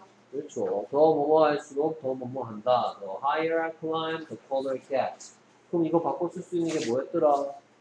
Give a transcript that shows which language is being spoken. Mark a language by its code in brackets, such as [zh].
[ko] 그렇죠. 더 뭐뭐할수록 더 뭐뭐한다. [en] The higher I climb, the taller it gets. [ko] 그럼 이거 바꿔 쓸 수 있는 게 뭐였더라?